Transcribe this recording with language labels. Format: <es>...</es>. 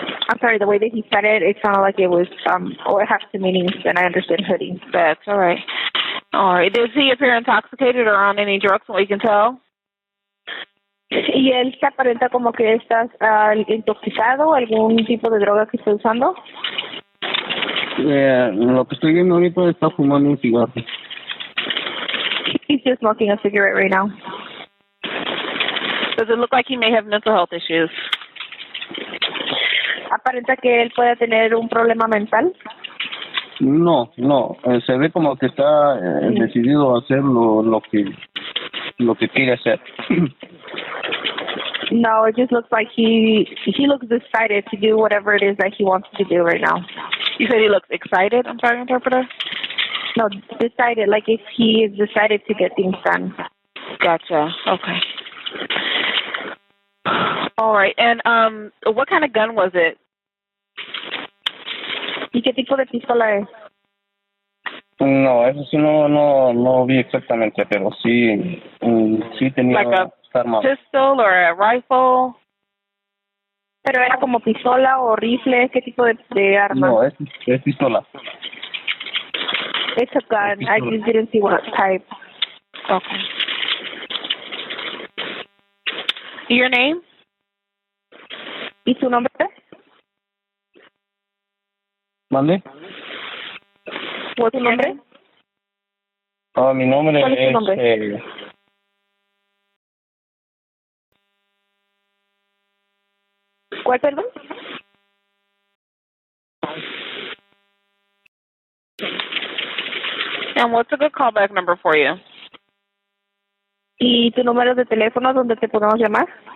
<en>I'm sorry, the way that he said it sounded like it was, it has two meanings, and I understand hoodie. That's all right. All right. Does he appear intoxicated or on any drugs, from what you can tell?</en> <es>¿Y él se aparenta como que estás intoxicado o algún tipo de droga que esté usando? Lo que estoy viendo ahorita está fumando un cigarro.</es> <en>He's just smoking a cigarette right now. Does it look like he may have mental health issues?</en> <es>¿Aparenta que él pueda tener un problema mental? No. Se ve como que está decidido a hacer lo que quiere hacer.</es> <en>No, it just looks like he looks excited to do whatever it is that he wants to do right now. You said he looks excited? I'm sorry, interpreter. No, decided, like if he is decided to get things done. Gotcha, okay. All right, and what kind of gun was it?</en> <es>¿Y qué tipo de pistola es? No, eso sí no vi exactamente, pero sí, sí tenía...</es> <en>Like a pistol or a rifle?</en> <es>¿Pero era como pistola o rifle? ¿Qué tipo de arma? No, es pistola.</es> <en>It's a gun. I just didn't see what type. Okay. Your name?</en> <es>¿Y tu nombre? ¿Mande?</es> <en>¿What's your name?</en> <es>Mi nombre es... ¿Cuál es tu nombre? ¿Cuál, perdón?</es> <en>And what's a good callback number for you?</en> <es>¿Y tu número de teléfono donde te podemos llamar?</es>